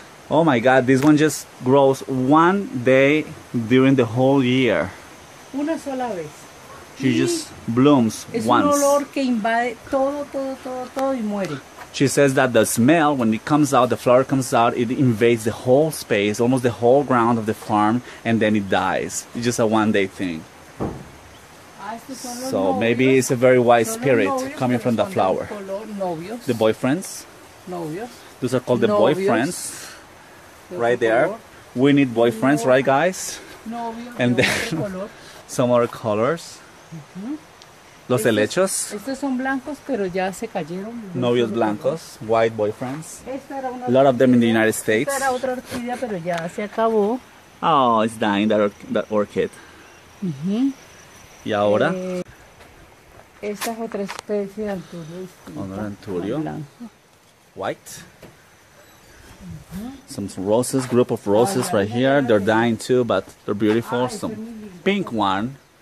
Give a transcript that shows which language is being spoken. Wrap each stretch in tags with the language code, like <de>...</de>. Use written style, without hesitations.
<en>Oh my God, this one just grows one day during the whole year.</en> <es>Una sola vez.</es> <en>She just blooms once.</en> <es>Es un olor que invade todo, todo, todo, todo y muere.</es> <en>She says that the smell, when it comes out, the flower comes out, it invades the whole space, almost the whole ground of the farm, and then it dies. It's just a one-day thing. So maybe it's a very wise spirit coming from the flower. The boyfriends. Those are called the boyfriends. Right there. We need boyfriends, right, guys? And then some other colors.</en> <es>Los helechos. Estos son blancos, pero ya se cayeron. Novios blancos,</es> <en>white boyfriends. A lot of them in the United States.</en> <es>Esta era otra orquídea, pero ya se acabó.</es> <en>Oh, it's dying, that orchid.</en> <es>Y ahora. Esta es otra especie de anturio.</es> <en>Another anturio. White. Some roses, group of roses right here. They're dying too, but they're beautiful. Some pink one.</en>